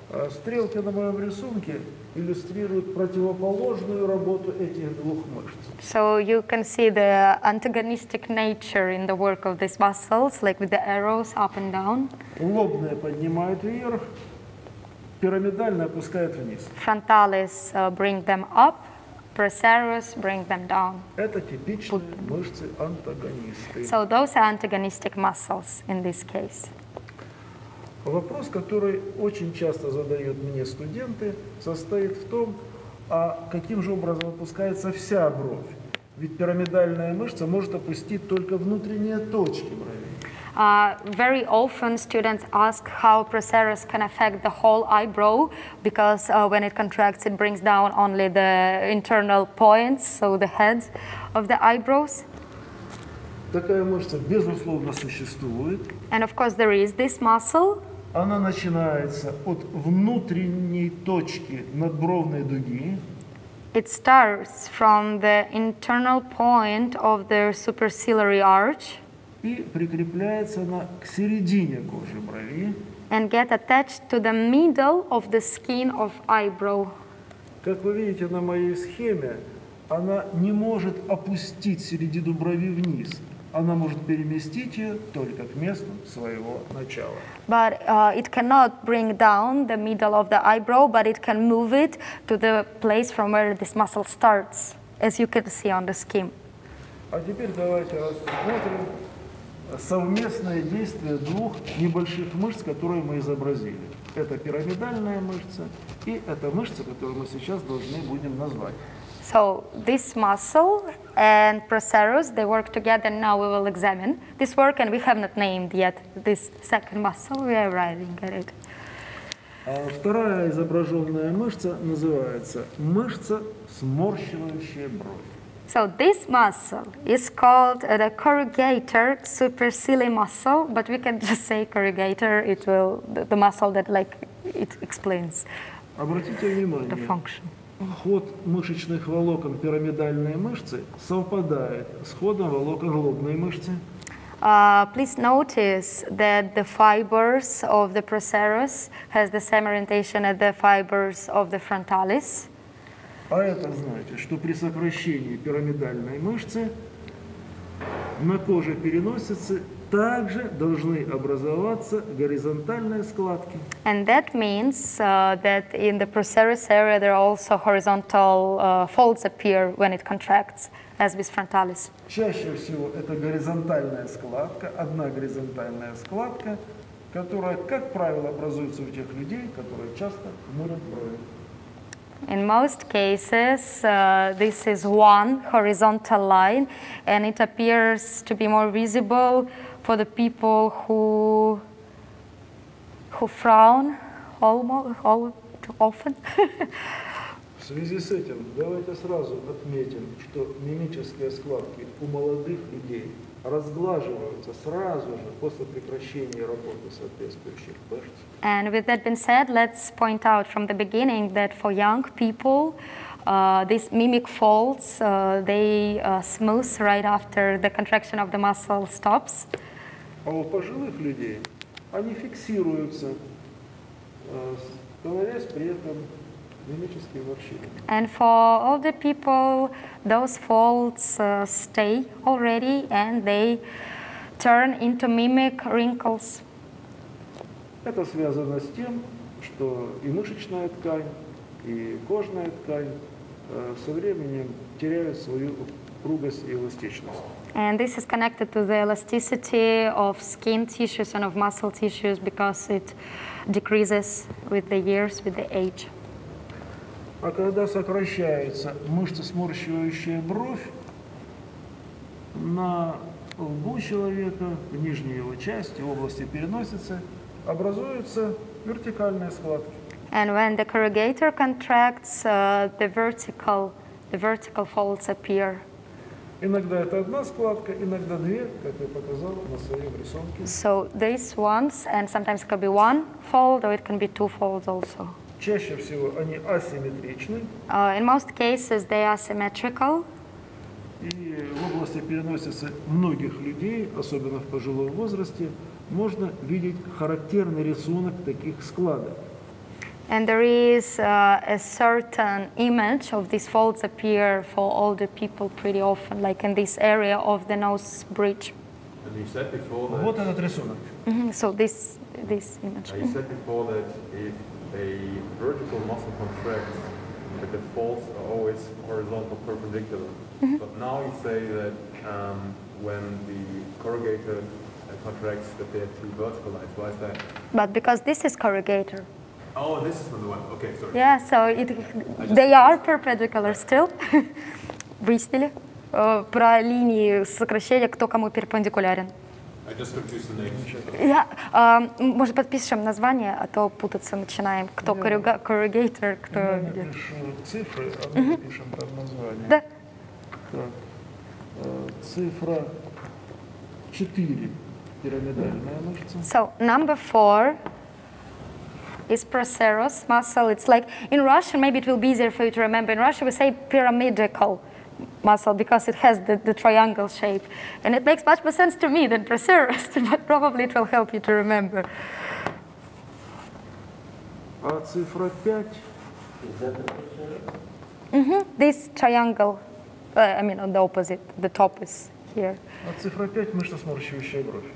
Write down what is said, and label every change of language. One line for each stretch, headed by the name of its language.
Russian: Стрелки на моем рисунке иллюстрируют противоположную работу этих двух мышц.
English: So you can see the antagonistic nature in the work of these muscles, like with the arrows up and down.
Russian: Лобная поднимает вверх, пирамидальная опускает вниз.
English: Frontalis bring them up, procerus bring them down.
Russian: Это типичные мышцы антагонисты.
English: So those are antagonistic muscles in this case.
Russian: Вопрос, который очень часто задают мне студенты, состоит в том, а каким же образом опускается вся бровь? Ведь пирамидальная мышца может опустить только внутренние точки бровей.
English: Very often students ask how procerus can affect the whole eyebrow, because when it contracts, it brings down only the internal points, so the heads of the eyebrows.
Russian: Такая мышца, безусловно, существует.
English: And of course there is this muscle.
Russian: Она начинается от внутренней точки надбровной дуги.
English: It starts from the internal point of the superciliary arch.
Russian: И прикрепляется она к середине кожи брови.
English: And get attached to the middle of the skin of eyebrow.
Russian: Как вы видите на моей схеме, она не может опустить середину брови вниз. Она может переместить ее только к месту своего начала.
English: But it cannot bring down the middle of the eyebrow, but it can move it to the place from where this muscle starts, as you can see on the scheme.
Russian: А теперь давайте рассмотрим совместное действие двух небольших мышц, которые мы изобразили. Это пирамидальная мышца и это мышца, которую мы сейчас должны будем назвать.
English: So this muscle and procerus, they work together. Now we will examine this work, and we have not named yet this second muscle. We are arriving at it.
Russian: Вторая изображенная мышца называется мышца, сморщивающая бровь.
English: So this muscle is called the corrugator supercilii muscle, but we can just say corrugator. It will the muscle that like it explains the function.
Russian: Ход мышечных волокон пирамидальной мышцы совпадает с ходом волокон лобной мышцы.
English: Please notice that the fibers of the procerus has the same orientation as the fibers of the frontalis.
Russian: А это значит, что при сокращении пирамидальной мышцы на коже переносицы также должны образоваться горизонтальные складки.
English: And that means that in the procerus area there are also horizontal folds appear when it contracts, as with frontalis.
Russian: Чаще всего это горизонтальная складка, одна горизонтальная складка, которая, как правило, образуется у тех людей, которые часто хмурят брови.
English: In most cases, this is one horizontal line, and it appears to be more visible for the people who frown all too often.
Russian: В связи с этим, давайте сразу отметим, что мимические складки у молодых людей разглаживаются сразу же после прекращения работы соответствующих мышц.
English: And with that being said, let's point out from the beginning that for young people, these mimic folds, they smooth right after the contraction of the muscle stops.
Russian: А у пожилых людей они фиксируются, становясь при этом мимическими морщинами.
English: And for older people, those folds stay already and they turn into mimic wrinkles.
Russian: Это связано с тем, что и мышечная ткань, и кожная ткань со временем теряют свою упругость и эластичность.
English: And this is connected to the elasticity of skin tissues and of muscle tissues because it decreases with the years, with the age.
Russian: А когда сокращаются мышцы, сморщивающие бровь, на лбу человека, в нижней его части, в области переносицы, образуются вертикальные складки.
English: And when the corrugator contracts, the vertical folds appear.
Russian: Иногда это одна складка, иногда две, как я показал на своем рисунке.
English: So this once, and sometimes it can be one fold, or it can be two folds also.
Russian: Чаще всего они асимметричны.
English: In most cases they are symmetrical.
Russian: И в области переносицы многих людей, особенно в пожилом возрасте, можно видеть характерный рисунок таких складок.
English: And there is a certain image of these folds appear for older people pretty often, like in this area of the nose bridge. And you said before that...
Russian: Вот этот рисунок.
English: Mm-hmm. So this image. And you said before that if a vertical muscle contracts, that the folds are always horizontal perpendicular. Mm-hmm. But now you say that when the corrugator contracts, that they are two vertical lines. Why is that? But because this is corrugator. Oh, this is another one. Okay, sorry. Yeah, so they are perpendicular still.
Russian: Выяснили про линии сокращения, кто кому перпендикулярен.
English: I just confused the name.
Russian: Yeah, может, подпишем название, а то путаться начинаем. Кто corrugator, кто... Я напишу цифры, а мы напишем там название. Да. Так. Цифра 4, пирамидальная мышца.
English: So, number 4. Is procerus muscle. It's like in Russian, maybe it will be easier for you to remember. In Russian, we say pyramidical muscle because it has the triangle shape. And it makes much more sense to me than procerus, but probably it will help you to remember.
Russian: А цифра 5?
English: Is that the procerus? Mm-hmm. This triangle, on the opposite, the top is here.
Russian: А цифра 5 мышца сморщивающая бровь.